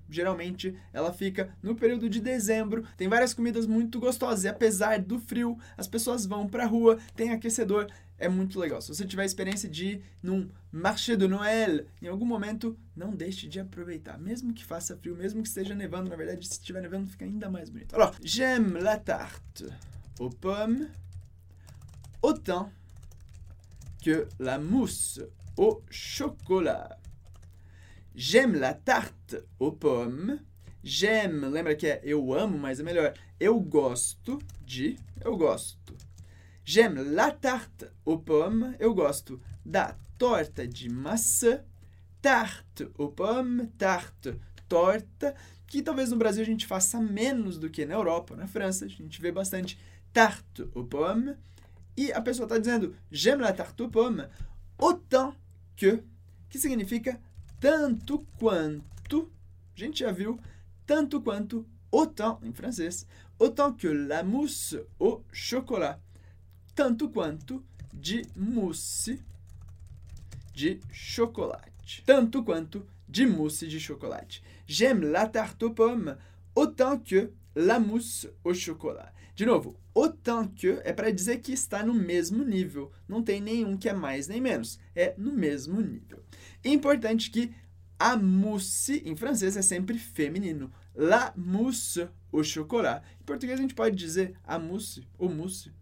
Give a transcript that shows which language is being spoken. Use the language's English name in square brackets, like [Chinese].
[Portuguese] Geralmente, ela fica no período de dezembro, tem várias comidas muito gostosas, e apesar do frio, as pessoas vão pra rua, tem aquecedor, é muito legal. Se você tiver a experiência de ir num marché de Noël, em algum momento, não deixe de aproveitar. Mesmo que faça frio, mesmo que esteja nevando, na verdade, se estiver nevando, fica ainda mais bonito. [French] Alors, j'aime la tarte aux pommes autant que la mousse au chocolat. J'aime la tarte aux pommes. [Portuguese] J'aime, lembra que é eu amo, mas é melhor, eu gosto de, eu gosto. [French] J'aime la tarte aux pommes. [Portuguese] Eu gosto da torta de maçã. Tarte aux pommes. Tarte, torta. Que talvez no Brasil a gente faça menos do que na Europa, na França. A gente vê bastante tarte aux pommes. E a pessoa está dizendo [French] j'aime la tarte aux pommes autant que [Portuguese] significa tanto quanto, a gente já viu, tanto quanto, autant em francês, [French] autant que la mousse au chocolat, [Portuguese] tanto quanto de mousse de chocolate. Tanto quanto de mousse de chocolate. [French] J'aime la tarte aux pommes autant que la mousse au chocolat. [Portuguese] De novo, autant que é para dizer que está no mesmo nível. Não tem nenhum que é mais nem menos. É no mesmo nível. Importante que a mousse em francês é sempre feminino. [French] La mousse au chocolat. [Portuguese] Em português a gente pode dizer a mousse ou mousse.